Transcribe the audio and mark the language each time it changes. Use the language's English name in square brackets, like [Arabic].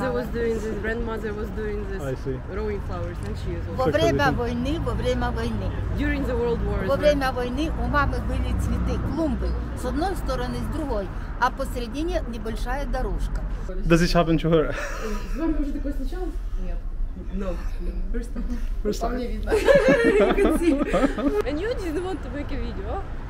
[English] Mother was doing this, grandmother was doing this. I see. Rowing flowers, and she is also. [Russian] Во время войны, во время войны. [English] During the World Wars. [Russian] Во время войны у мамы были цветы, клумбы с одной стороны, с другой, а посередине небольшая дорожка. [English] Does this happen to her? [Russian] Вам уже такое случалось? Нет. [English] No. First time. First time. You can see. And you didn't want to make a video?